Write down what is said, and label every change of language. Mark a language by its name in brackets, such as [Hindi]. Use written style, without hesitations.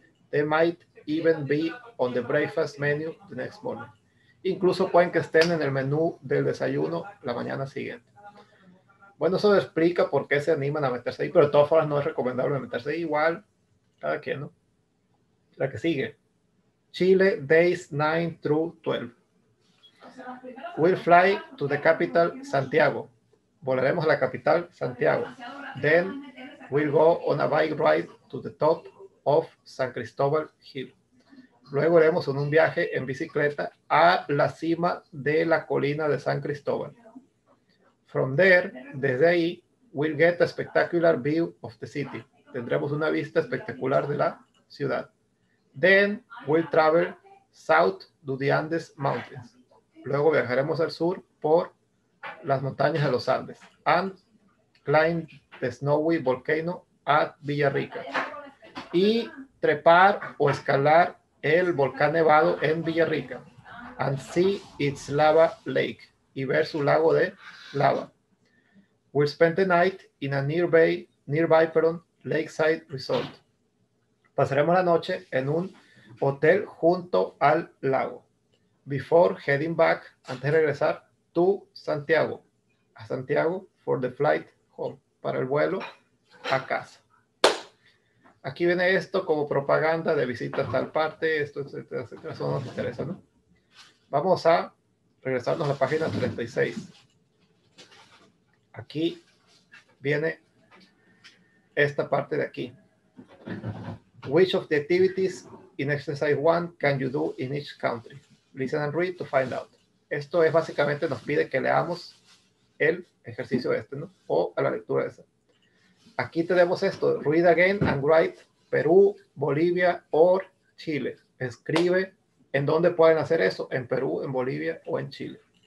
[English] They might even be on the breakfast menu the next morning. [Spanish] Incluso pueden que estén en el menú del desayuno la mañana siguiente. Bueno, eso explica por qué se animan a meterse ahí, pero de todas formas no es recomendable meterse ahí. Igual, cada quien, ¿no? La que sigue. [English] Chile, days 9 through 12. We'll fly to the capital, Santiago. [Spanish] Volaremos a la capital, Santiago. [English] Then we'll go on a bike ride to the top of San Cristóbal Hill. [Spanish] Luego iremos en un viaje en bicicleta a la cima de la colina de San Cristóbal. [English] From there, [Spanish] desde ahí, [English] we'll get a spectacular view of the city. [Spanish] Tendremos una vista espectacular de la ciudad. [English] Then we'll travel south to the Andes Mountains. [Spanish] Luego viajaremos al sur por las montañas de los Andes. [English] And climb the snowy volcano at Villarrica. [Spanish] Y trepar o escalar el volcán nevado en Villarrica. [English] And see its lava lake. [Spanish] Y ver su lago de lava. [English] We'll spend the night in a nearby [Spanish] perdón, [English] lakeside resort. [Spanish] Pasaremos la noche en un hotel junto al lago. [English] Before heading back, [Spanish] antes de regresar, [English] to Santiago. [Spanish] A Santiago for the flight home. Para el vuelo a casa. Aquí viene esto como propaganda de visitas tal parte, esto, etcétera, etcétera. Eso nos interesa, ¿no? Vamos a regresarnos a la página 36. Aquí viene esta parte de aquí. [English] Which of the activities in exercise one can you do in each country? Listen and read to find out. [Spanish] Esto es básicamente nos pide que leamos el ejercicio este, ¿no? O a la lectura esa. Aquí tenemos esto. [English] Read again and write Perú, Bolivia or Chile. [Spanish] Escribe en dónde pueden hacer eso. En Perú, en Bolivia o en Chile.